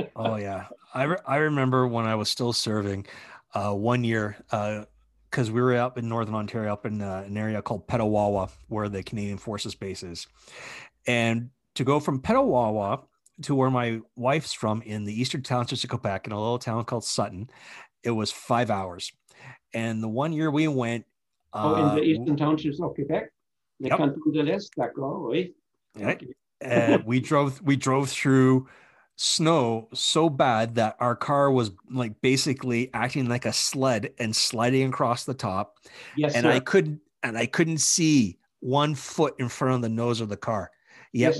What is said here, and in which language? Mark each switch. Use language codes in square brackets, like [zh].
[en] Oh yeah, I remember when I was still serving, 1 year, because we were up in Northern Ontario, up in an area called Petawawa, where the Canadian Forces base is. And to go from Petawawa to where my wife's from in the eastern townships of Quebec, in a little town called Sutton, it was 5 hours. And the 1 year we went... In the eastern townships of Quebec? [fr] Le Canton de l'Est, d'accord, oui. [en] Okay. we drove through snow so bad that our car was like basically acting like a sled and sliding across the top. Yes, and sir. I couldn't see 1 foot in front of the nose of the car. Yet yes.